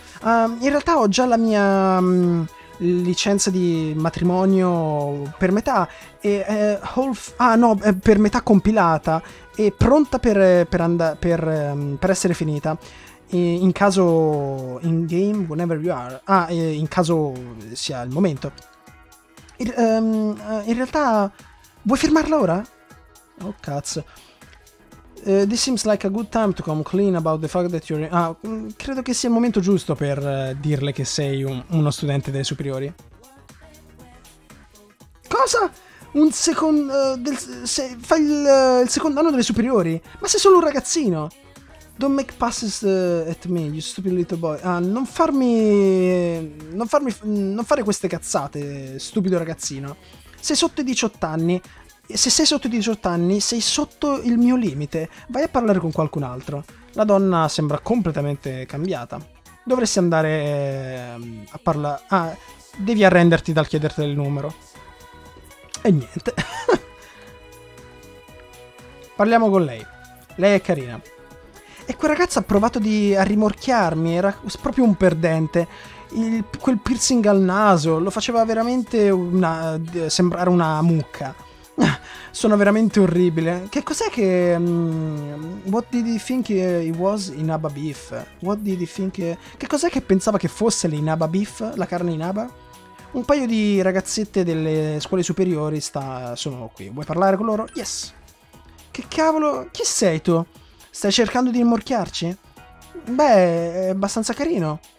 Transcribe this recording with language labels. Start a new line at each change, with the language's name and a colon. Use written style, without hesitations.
Italian: In realtà ho già la mia licenza di matrimonio per metà e per metà compilata e pronta per essere finita in caso in game whenever you are. In caso sia il momento. In realtà vuoi firmarla ora? Oh cazzo.
English: This seems like a good time to come clean about the fact that you're...
Italian: credo che sia il momento giusto per dirle che sei uno studente delle superiori. Cosa? Un secondo... fai il secondo anno delle superiori? Ma sei solo un ragazzino!
English: Don't make passes at me, you stupid little boy.
Italian: Non fare queste cazzate, stupido ragazzino. Sei sotto i 18 anni... Se sei sotto i 18 anni, sei sotto il mio limite. Vai a parlare con qualcun altro. La donna sembra completamente cambiata. Dovresti andare a parlare... devi arrenderti dal chiederti il numero. E niente. Parliamo con lei. Lei è carina. E quel ragazzo ha provato a rimorchiarmi. Era proprio un perdente. Quel piercing al naso lo faceva veramente sembrare una mucca. Sono veramente orribile. Che cos'è che...
English: what did he think he was in Abba Beef? What did he think...
Italian: Che cos'è che pensava che fosse l'Inaba Beef? La carne in Abba? Un paio di ragazzette delle scuole superiori sono qui. Vuoi parlare con loro? Yes. Che cavolo? Chi sei tu? Stai cercando di rimorchiarci? Beh, è abbastanza carino.